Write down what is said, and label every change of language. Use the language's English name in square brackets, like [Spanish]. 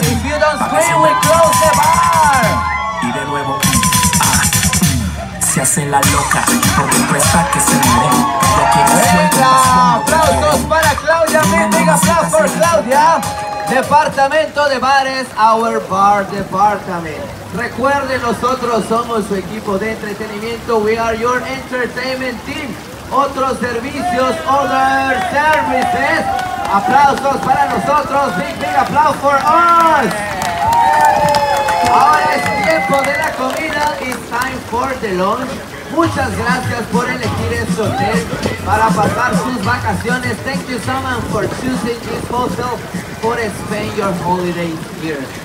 [English] If you don't scream, we close the bar. [Spanish] Y de nuevo, se hace la loca, porque presta que se mire. Venga, aplausos para Claudia. Big aplausos por Claudia. Departamento de bares, [English] our bar department. [Spanish] Recuerden, nosotros somos su equipo de entretenimiento. [English] We are your entertainment team. [Spanish] Otros servicios, [English] other services. [Spanish] Aplausos para nosotros. Big aplausos [English] for us. [Spanish] Ahora es tiempo de la comida. [English] It's time for the lunch. [Spanish] Muchas gracias por elegir este hotel para pasar sus vacaciones. [English] Thank you so much for choosing this hotel for spend your holiday here.